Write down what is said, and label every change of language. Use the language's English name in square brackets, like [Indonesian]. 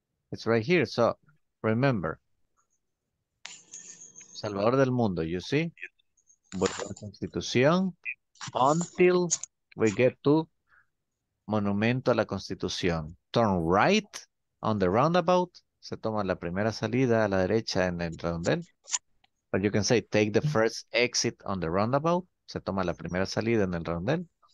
[English] It's right here. So, remember, Salvador del Mundo, you see? [Spanish] Buena Constitución. [English] Until we get to Monumento a la Constitución. Turn right on the roundabout. [Spanish] Se toma la primera salida a la derecha en el redondel. [English] But you can say, take the first exit on the roundabout. [Spanish] Se toma la primera salida en el redondel.